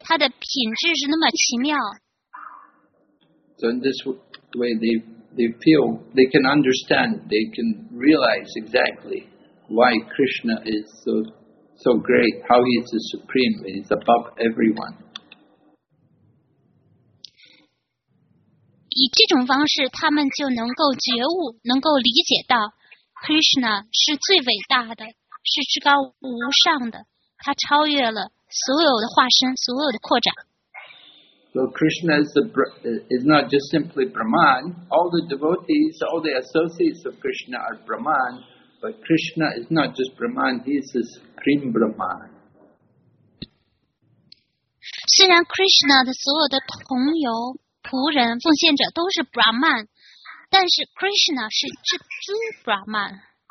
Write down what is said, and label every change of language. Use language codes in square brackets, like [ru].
[zh] 它的品质是那么奇妙。 [en] So in this way, they feel they can understand, they can realize exactly why Krishna is so great, how he is the supreme, and he's above everyone. [zh] 以这种方式，他们就能够觉悟，能够理解到 Krishna 是最伟大的，是至高无上的，他超越了所有的化身，所有的扩展。 [en] So Krishna is not just simply Brahman. All the devotees, all the associates of Krishna are Brahman. But Krishna is not just Brahman. He is the supreme Brahman. [zh] 虽然 Krishna 的所有的同游、仆人、奉献者都是 Brahman， 但是 Krishna 是至尊 Brahman.